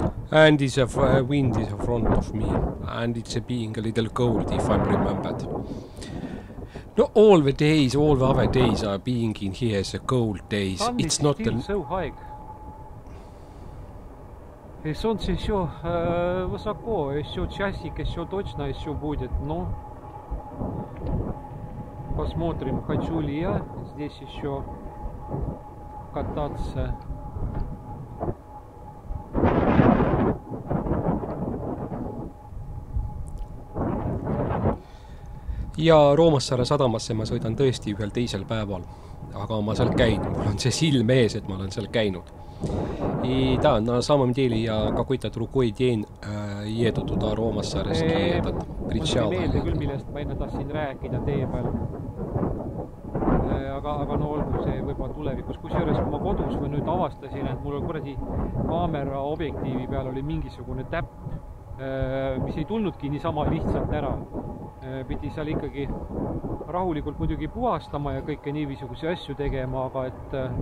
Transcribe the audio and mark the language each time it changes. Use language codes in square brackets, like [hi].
[en] And it's a wind is in front of me and it's being a little cold if I remembered. No, all the days, all the other days are being in here as a cold days. It's not so high. [ru] И солнце еще высоко, еще часик, еще точно еще будет, но посмотрим, хочу ли я здесь еще кататься. [et] Ja Roomassaare sadamasse ma sõidan tõesti ühel teisel päeval. Aga ma seal käin. Mul on see silm ees, et ma olen seal käinud. [ru] И да, на самом деле я какой-то другой день еду туда, Роомассаарес, на этот причал. [et] Мне не меелда, millest ma enne tassin rääkida tee peal. Aga no olgu see võib-olla tulevikus. Kusjuures ma kodus või nüüd avastasin, et mul oli kuradi kaamera objektiivi peal oli mingisugune täpp, mis ei tulnudki nii sama lihtsalt ära. Pidi seal ikkagi rahulikult muidugi puhastama ja kõike niivisuguse asju tegema, aga et